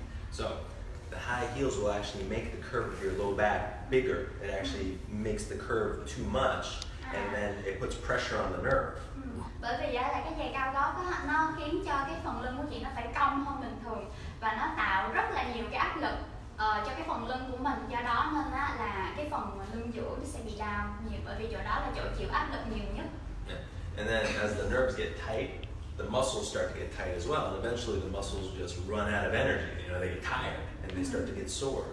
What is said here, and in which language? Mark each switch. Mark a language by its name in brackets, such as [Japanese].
[English] So, the high heels will actually make the curve of your low back bigger. It actually makes the curve too much, and then it puts pressure on the nerve. [Vietnamese] Bởi vì vậy là cái giày cao gót đó, nó khiến cho cái phần lưng của chị nó phải cong hơn bình thường và nó tạo rất là nhiều cái áp lực cho cái phần lưng của mình. Do đó nên á là cái phần lưng giữa nó sẽ bị đau nhiều, bởi vì chỗ đó là chỗ chịu áp lực nhiều nhất. [English] Yeah. And then as the nerves get tight, the muscles start to get tight as well. Eventually the muscles just run out of energy, you know, they get tired and they start to get sore.